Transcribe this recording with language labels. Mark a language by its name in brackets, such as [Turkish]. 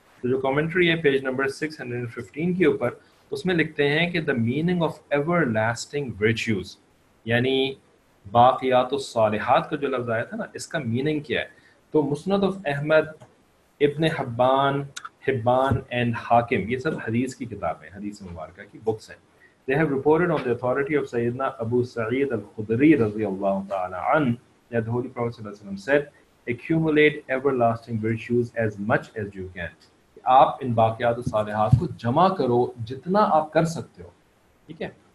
[Urdu] تو جو کامنٹری ہے پیج نمبر 615 کے اوپر, اس میں لکھتے ہیں کہ [English] the meaning of everlasting virtues, [Urdu] یعنی باقیات الصالحات کا جو لفظ آیا تھا نا, اس کا میننگ کیا ہے. تو مسند آف احمد, ابن حبان, حبان اینڈ حاکم, یہ سب حدیث کی کتابیں, حدیث مبارکہ کی بکس ہیں. [English] They have reported on the authority of Sayyidina Abu Sa'id al-Khudri radiyallahu ta'ala an that the Holy Prophet sallallahu alaihi wasallam said, accumulate everlasting virtues as much as you can. [Urdu] آپ ان باقیات صالحات کو جمع کرو جتنا آپ کر سکتے ہو, ٹھیک ہے.